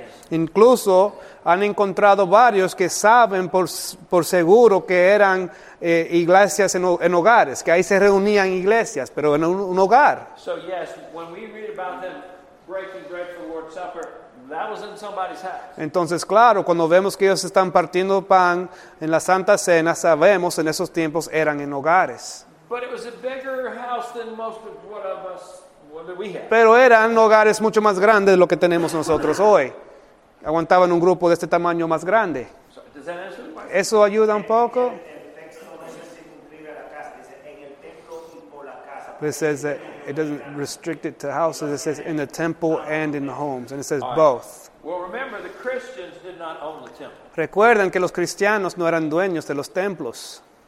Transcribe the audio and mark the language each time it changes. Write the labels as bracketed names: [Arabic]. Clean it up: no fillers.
[Spanish] Incluso han encontrado varios que saben por seguro que eran iglesias en hogares, que ahí se reunían iglesias, pero en un hogar. [English] So yes, when we read about them breaking bread for the Lord's Supper, that was in somebody's house. [Spanish] Entonces, claro, cuando vemos que ellos están partiendo pan en la Santa Cena, sabemos en esos tiempos eran en hogares. [English] But it was a bigger house than most of what of us what we have. [Spanish] Pero eran hogares mucho más grandes de lo que tenemos nosotros hoy. Aguantaban un grupo de este tamaño más grande. ¿Eso ayuda un poco? [English] It says that it doesn't restrict it to houses. It says in the temple and in the homes. And it says both. Well, remember, the Christians did not own the temple. [Spanish] Recuerden que los cristianos no eran dueños de los templos.